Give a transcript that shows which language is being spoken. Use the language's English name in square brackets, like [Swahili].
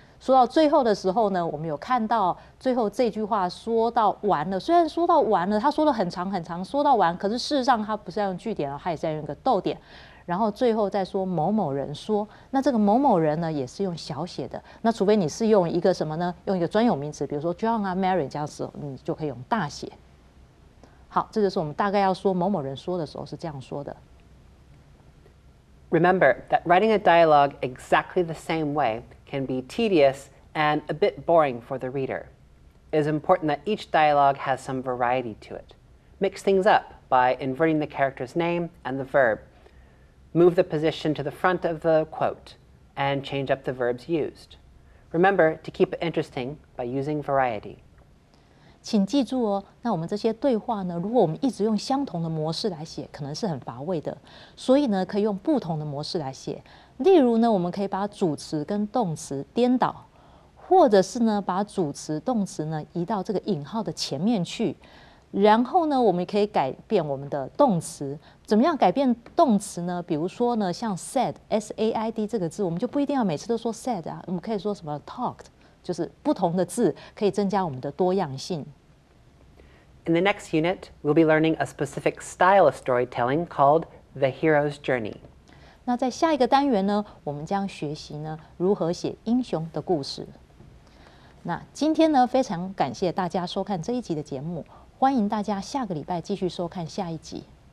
[Chinese] 说到最后的时候呢，我们有看到最后这句话说到完了，虽然说到完了，他说了很长，说到完，可是事实上他不是要用句点，他也在用一个逗点，然后最后再说某某人说，那这个某某人呢也是用小写的，那除非你是用一个什么呢，用一个专有名词，比如说 John 啊 Mary 这样子，你就可以用大写。好，这就是我们大概要说某某人说的时候是这样说的。 [English] Remember that writing a dialogue exactly the same way can be tedious and a bit boring for the reader. It is important that each dialogue has some variety to it. Mix things up by inverting the character's name and the verb. Move the position to the front of the quote and change up the verbs used. Remember to keep it interesting by using variety. [Chinese] 请记住哦，那我们这些对话呢，如果我们一直用相同的模式来写，可能是很乏味的。所以呢，可以用不同的模式来写。例如呢，我们可以把主词跟动词颠倒，或者是呢，把主词、动词呢移到这个引号的前面去。然后呢，我们可以改变我们的动词。怎么样改变动词呢？比如说呢，像 said S A I D 这个字，我们就不一定要每次都说 said 啊，我们可以说什么 talked。就是不同的字可以增加我们的多样性。 [English] In the next unit, we'll be learning a specific style of storytelling called the hero's journey. [Chinese] 那在下一个单元呢，我们将学习呢如何写英雄的故事。那今天呢，非常感谢大家收看这一集的节目，欢迎大家下个礼拜继续收看下一集。